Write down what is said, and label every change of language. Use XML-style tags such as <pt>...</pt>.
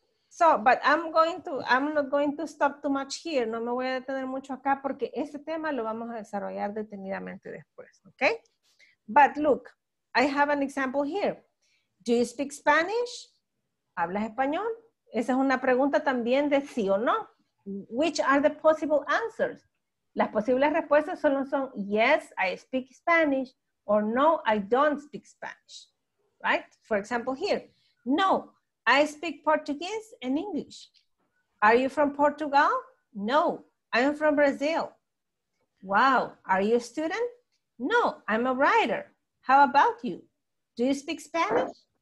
<en>So, but I'm not going to stop too much here.</en> <es>No me voy a detener mucho acá porque este tema lo vamos a desarrollar detenidamente después, okay?</es> <en>But look, I have an example here. Do you speak Spanish?</en> <es>¿Hablas español? Esa es una pregunta también de sí o no.</es> <en>Which are the possible answers?</en> <es>Las posibles respuestas solo son</es> <en>yes, I speak Spanish. Or no, I don't speak Spanish, right? For example here, no, I speak Portuguese and English. Are you from Portugal? No, I'm from Brazil. Wow, are you a student? No, I'm a writer. How about you? Do you speak Spanish?</en>